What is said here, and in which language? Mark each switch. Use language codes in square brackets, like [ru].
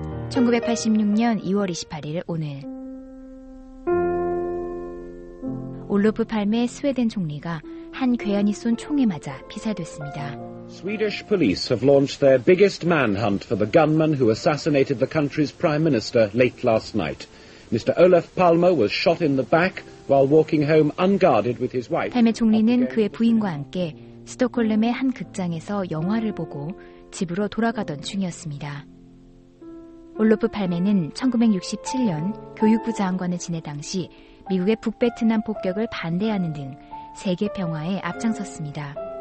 [ko] 1986년 2월 28일 오늘, 올로프 팔메 스웨덴 총리가 한 괴한이 쏜 총에 맞아 피살됐습니다. [en] Swedish police have launched their biggest manhunt for the gunman who assassinated the country's prime minister late last night. Mr. Olof Palme was shot in the back while walking home unguarded with his wife. [ko] 팔메 총리는 그의 부인과 함께 스톡홀름의 한 극장에서 영화를 보고 집으로 돌아가던 중이었습니다. 올로프 팔메는 1967년 교육부 장관을 지낸 당시 미국의 북베트남 폭격을 반대하는 등 세계 평화에 앞장섰습니다.